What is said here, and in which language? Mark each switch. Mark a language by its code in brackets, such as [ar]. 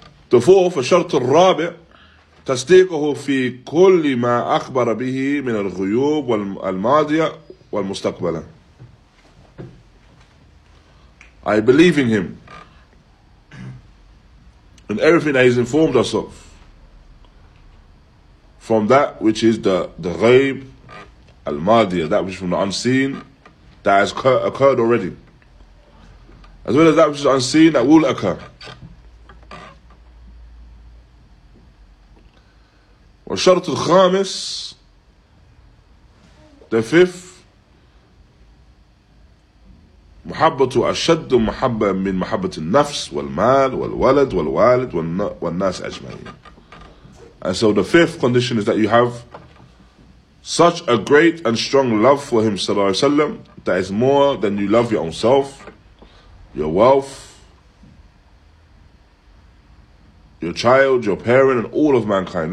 [en] The fourth, [ar] الشرط الرابع, تصديقه في كل ما أخبر به من الغيوب والماضية والمستقبلة. [en] I believe in him and everything that he's informed us of, from that which is the ghayb, al-madiyah, that which is from the unseen, that has occurred already, as well as that which is unseen, that will occur. [ar] وَالشَّرْطُ الْخَامِسِ, [en] the fifth, [ar] محبته أشد محبة من محبة النفس والمال والولد والوالد والناس أجمعين. [en] And so the fifth condition is that you have such a great and strong love for him, sallallahu alayhi wa sallam, that is more than you love your own self, your wealth, your child, your parent, and all of mankind.